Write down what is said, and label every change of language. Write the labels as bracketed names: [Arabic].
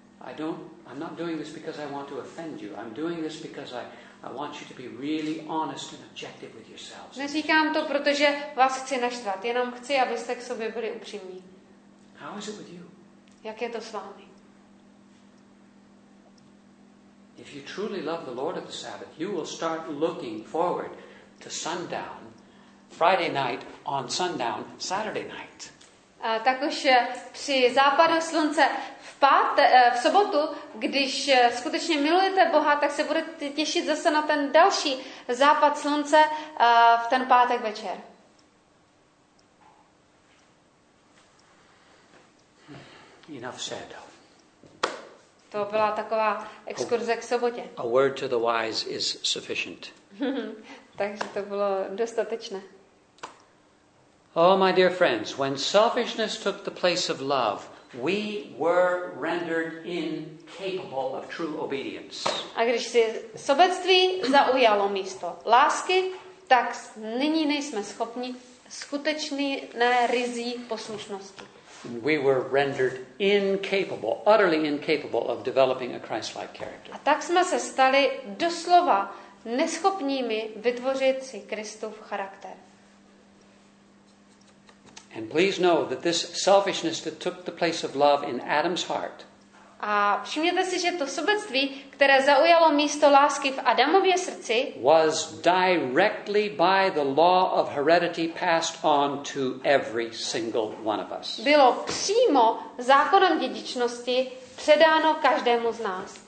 [English] I'm not doing this because I want to offend you. I'm doing this because I want you to be really honest and objective with yourselves. [Czech] Neříkám to, protože vás chci naštvat, jenom chci, abyste k sobě byli upřímní. [English] How is it with you? [Czech] Jak je to s vámi? [English] If you truly love the Lord of the Sabbath, you will start looking forward to sundown. Friday night on sundown, Saturday night. [Czech] Tak už při západu slunce v sobotu, když skutečně milujete Boha, tak se budete těšit zase na ten další západ slunce v ten pátek večer. [English] Enough said. [Czech] To byla taková exkurze k sobotě. [English] A word to the wise is sufficient. [Czech] Takže to bylo dostatečné. [English] Oh, my dear friends, when selfishness took the place of love, we were rendered incapable of true obedience. [Czech] A když si sobectví zaujalo místo lásky, tak nyní nejsme schopni skutečné ryzí poslušnosti. [English] We were rendered incapable, utterly incapable of developing a Christ-like character. [Czech] A tak jsme se stali doslova neschopními vytvořit si Kristův charakter. [English] And please know that this selfishness that took the place of love in Adam's heart. [Czech] A všimněte si, že to sobectví, které zaujalo místo lásky v Adamově srdci, [English] was directly by the law of heredity passed on to every single one of us. [Czech] Bylo přímo zákonem dědičnosti předáno každému z nás.